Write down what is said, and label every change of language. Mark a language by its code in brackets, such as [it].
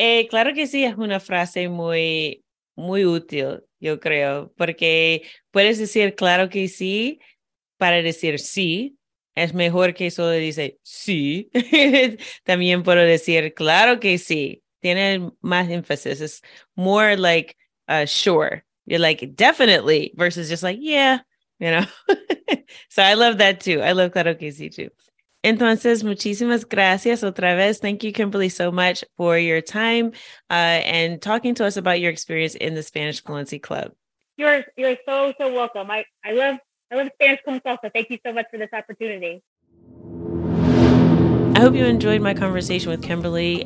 [es] Claro que sí es una frase muy, muy útil, yo creo, porque puedes decir claro que sí para decir sí. Es mejor que solo dice sí. También puedo decir claro que sí. Tiene más énfasis. [en] It's more like sure. You're like definitely versus just like yeah, you know. So I love that too. I love [es] claro que sí [en] too. [es] Entonces, muchísimas gracias otra vez. [en] Thank you, Kimberly, so much for your time and talking to us about your experience in the Spanish Fluency Club. You're so welcome. I love Spanish con Salsa. Thank you so much for this opportunity. I hope you enjoyed my conversation with Kimberly.